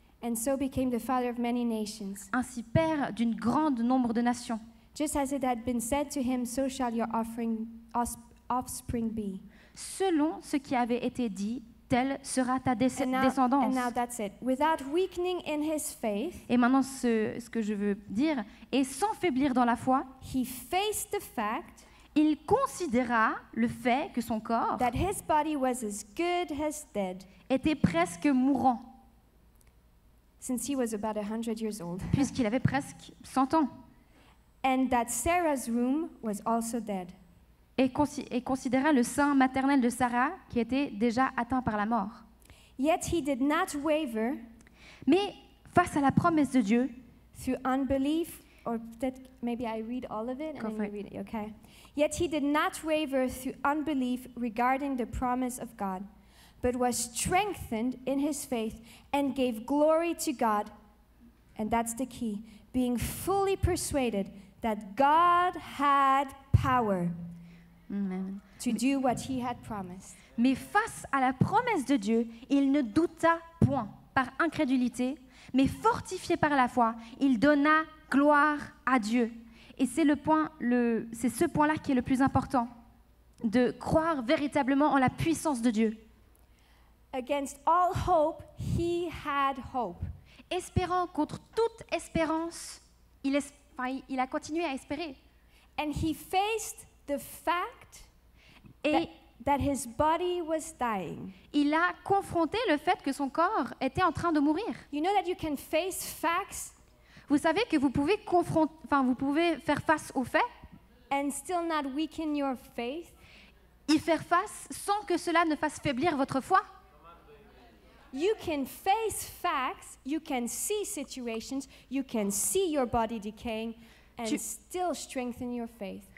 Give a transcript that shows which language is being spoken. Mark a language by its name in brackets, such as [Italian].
[English] And so became the father of many nations. [French] Ainsi père d'une grande nombre de nations. [English] Just as it had been said to him, so shall your offspring be. [French] Selon ce qui avait été dit, telle sera ta descendance. [English] And now that's it. Without weakening in his faith. [French] Et maintenant ce que je veux dire est sans faiblir dans la foi. [English] He faced the fact. [French] Il considéra le fait que son corps. [English] That his body was as good as dead. [French] Était presque mourant. [English] Since he was about 100 years old. [French] Puisqu'il avait presque 100 ans. [English] And that Sarah's womb was also dead. [French] Et considéra le sein maternel de Sarah qui était déjà atteint par la mort. [English] Yet he did not waver. [French] Mais face à la promesse de Dieu. [English] Through unbelief, or that maybe I read all of it and then you read it, okay? Yet he did not waver through unbelief regarding the promise of God. But was strengthened in his faith and gave glory to God, and that's the key, being fully persuaded that God had power to do what he had promised. [French] Mais face à la promesse de Dieu, il ne douta point par incrédulité, mais fortifié par la foi, il donna gloire à Dieu. Et c'est c'est ce point-là qui est le plus important, de croire véritablement en la puissance de Dieu. [English] Against all hope, he had hope. [French] Espérant contre toute espérance, il a continué à espérer. [English] And he faced the fact that his body was dying. [French] Il a confronté le fait que son corps était en train de mourir. [English] You know that you can face facts. [French] Vous savez que vous pouvez faire face aux faits. [English] And still not weaken your faith. [French] Y faire face sans que cela ne fasse faiblir votre foi. [English] You can face facts, you can see situations, you can see your body decaying and still strengthen your faith.